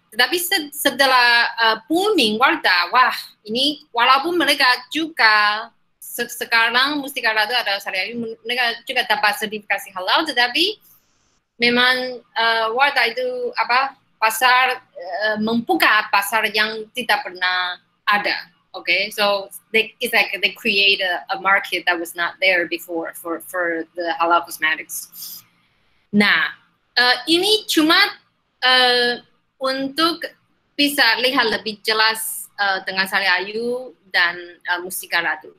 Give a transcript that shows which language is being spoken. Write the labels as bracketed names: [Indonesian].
[Indonesian] Tetapi setelah booming Wardah, wah ini walaupun mereka juga sekarang Mustika Ratu atau Sariayu mereka juga dapat sertifikasi halal, tetapi memang Wardah itu apa pasar membuka pasar yang tidak pernah ada. [English] Okay, so it's like they create a market that was not there before for the halal cosmetics. [Indonesian] Nah, ini cuma untuk bisa lihat lebih jelas dengan Sariayu dan Mustika Ratu.